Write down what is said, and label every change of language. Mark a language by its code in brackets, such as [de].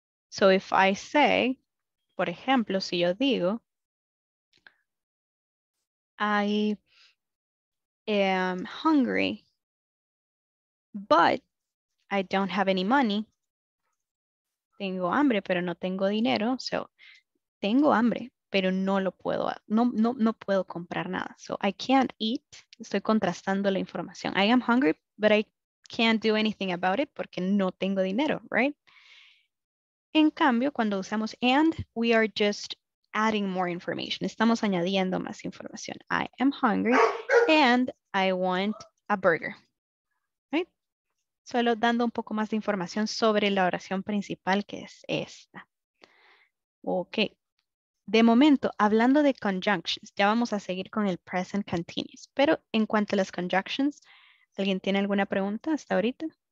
[en] So if I say, [es] por ejemplo, si yo digo, [en] I am hungry, but I don't have any money. [es] Tengo hambre, pero no tengo dinero. So, tengo hambre, pero no puedo comprar nada. [en] So, I can't eat. [es] Estoy contrastando la información. [en] I am hungry, but I can't do anything about it [es] porque no tengo dinero, [en] right? [es] En cambio, cuando usamos [en] and, we are just adding more information. [es] Estamos añadiendo más información. [en] I am hungry and I want a burger. Right? [es] Solo dando un poco más de información sobre la oración principal que es esta. Okay. De momento, hablando de conjunctions, ya vamos a seguir con el present continuous. Pero en cuanto a las conjunctions, ¿alguien tiene alguna pregunta hasta ahorita?